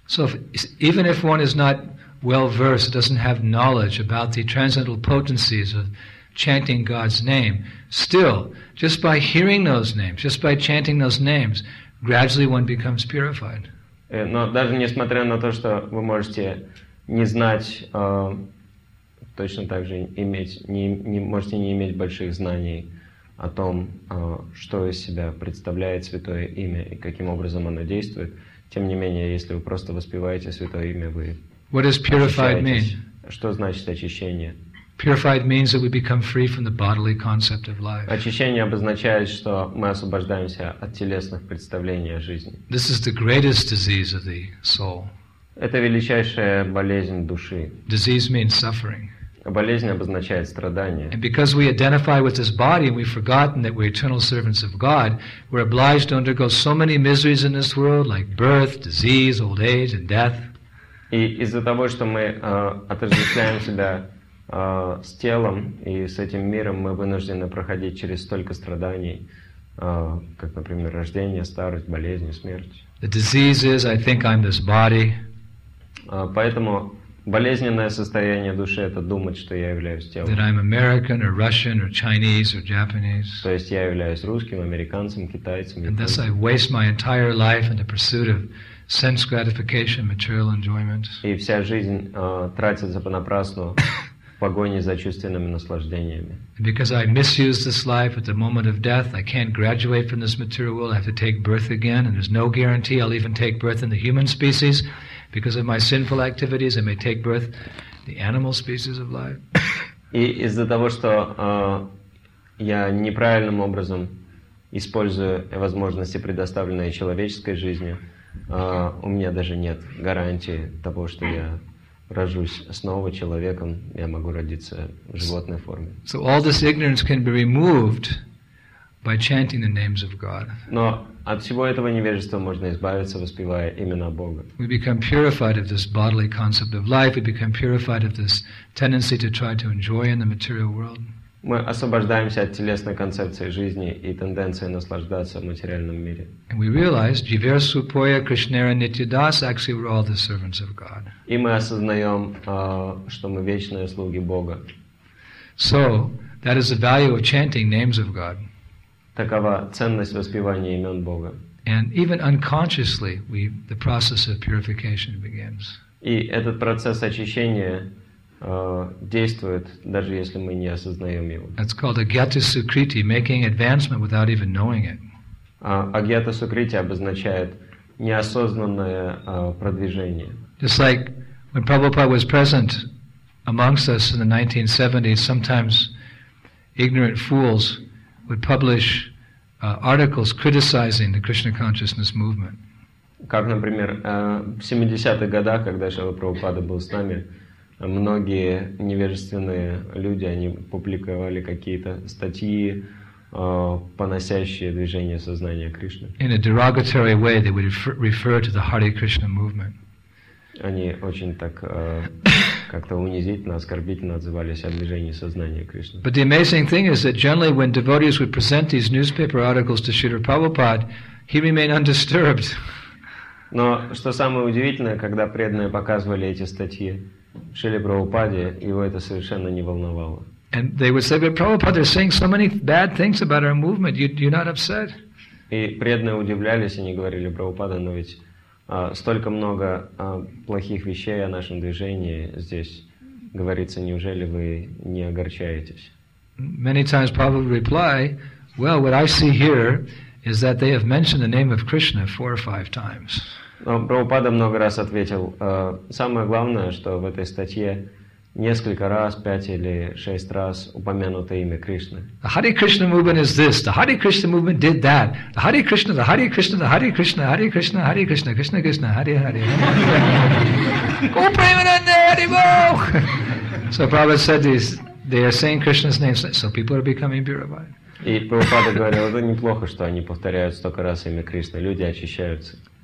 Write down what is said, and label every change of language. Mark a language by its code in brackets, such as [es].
[en] So even if one is not well versed, doesn't have knowledge about the transcendental potencies of chanting God's name, still, just by hearing those names, just by chanting those names, gradually one becomes purified. [ru] Но даже несмотря на то, что вы можете не знать, точно так же можете не иметь больших знаний о том, что из себя представляет святое имя и каким образом оно действует, тем не менее, если вы просто воспеваете святое имя, вы... [en] What does purified mean? [ru] Что значит очищение? [en] Purified means that we become free from the bodily concept of life. [ru] Очищение обозначает, что мы освобождаемся от телесных представлений о жизни. [en] This is the greatest disease of the soul. [ru] Это величайшая болезнь души. [en] Disease means suffering. [ru] Болезнь обозначает страдание. [en] And because we identify with this body and we've forgotten that we're eternal servants of God, we're obliged to undergo so many miseries in this world, like birth, disease, old age, and death. [ru] И из-за того, что мы отождествляем себя с телом и с этим миром, мы вынуждены проходить через столько страданий, как, например, рождение, старость, болезнь, смерть. [en] The disease is, I think I'm this body. [ru] Поэтому болезненное состояние души — это думать, что я являюсь телом. [en] That I'm American or Russian or Chinese or Japanese. [ru] То есть я являюсь русским, американцем, китайцем. [en] And thus I waste my entire life in the pursuit of sense gratification, material enjoyment. [ru] И вся жизнь тратится понапрасну в погоне за чувственными наслаждениями. [en] Because I misuse this life at the moment of death, I can't graduate from this material world, I have to take birth again, and there's no guarantee I'll even take birth in the human species. Because of my sinful activities, I may take birth in the animal species of life. [ru] И из-за того, что я неправильным образом использую возможности, предоставленные человеческой жизнью, у меня даже нет гарантии того, что я рожусь снова человеком, я могу родиться в животной форме. [en] So all this ignorance can be removed by chanting the names of God. [ru] Но от всего этого невежества можно избавиться, воспевая имена Бога. [en] We become purified of this bodily concept of life, we become purified of this tendency to try to enjoy in the material world. [ru] Мы освобождаемся от телесной концепции жизни и тенденции наслаждаться в материальном мире. [en] And we realize, [bn] Jivera Supoya Krishnara Nityadas, [en] actually we're all the servants of God. [ru] И мы осознаем, что мы вечные слуги Бога. [en] So, that is the value of chanting names of God. [ru] Такова ценность воспевания имен Бога. [en] And even unconsciously, the process of purification begins. [ru] И этот процесс очищения действует, даже если мы не осознаем его. [en] It's called agyata sukriti, making advancement without even knowing it. [ru] Агьята сукрити обозначает неосознанное продвижение. [en] Just like when Prabhupada was present amongst us in the 1970s, sometimes ignorant fools would publish articles criticizing the Krishna consciousness movement. [ru] Как, например, в 70-х годах, когда Шрила Прабхупада был с нами, многие невежественные люди, они публиковали какие-то статьи, поносящие движение сознания Кришны. [en] In a derogatory way, they would refer to the Hare Krishna movement. [ru] Они очень так как-то унизительно, оскорбительно отзывались о движении сознания Кришны. [en] But the amazing thing is that generally when devotees would present these newspaper articles to Śrīla Prabhupāda, he remained undisturbed. [ru] Но что самое удивительное, когда преданные показывали эти статьи Шриле Прабхупаде, его это совершенно не волновало. [en] And they would say, but Prabhupada, they're saying so many bad things about our movement, you're not upset? [ru] И преданные удивлялись, они говорили, Прабхупада, но ведь столько много плохих вещей о нашем движении здесь говорится, неужели вы не огорчаетесь? [en] Many times Prabhupada would reply, well, what I see here is that they have mentioned the name of Krishna 4 or 5 times. [ru] Но Прабхупада много раз ответил, самое главное, что в этой статье несколько раз, 5 или 6 раз упомянуто имя Кришны. [en] The Hare Krishna movement is this. The Hare Krishna movement did that. The Hare Krishna, the Hare Krishna, the Hare Krishna, Hare Krishna, Hare Krishna, Krishna Krishna, Hare Hare. Go Premananda, Hare Bhav. So Prabhupada said they are saying Krishna's name, so people are becoming purified. [ru] И Прабхупада говорил, это неплохо, что они повторяют столько раз имя Кришны, люди очищаются.